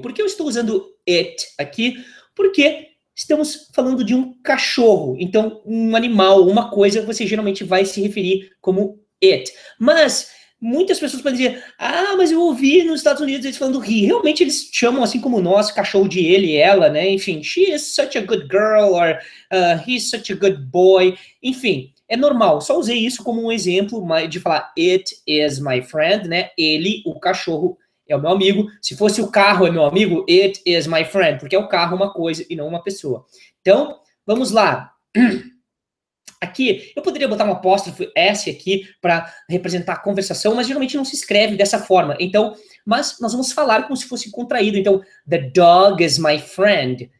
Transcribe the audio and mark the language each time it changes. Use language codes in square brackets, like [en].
[pt] Por que eu estou usando it aqui? Porque estamos falando de um cachorro. Então, um animal, uma coisa, você geralmente vai se referir como it. Mas muitas pessoas podem dizer, ah, mas eu ouvi nos Estados Unidos eles falando he. Realmente eles chamam assim como nós, cachorro de ele e ela, né? Enfim, [en] she is such a good girl, or he's such a good boy. [pt] Enfim, é normal. Só usei isso como um exemplo de falar [en] it is my friend, [pt] né? Ele, o cachorro, é o meu amigo. Se fosse o carro é meu amigo, [en] it is my friend. [pt] Porque é o carro uma coisa e não uma pessoa. Então, vamos lá. Aqui, eu poderia botar um apóstrofo S aqui para representar a conversação, mas geralmente não se escreve dessa forma. Então, mas nós vamos falar como se fosse contraído. Então, [en] the dog is my friend.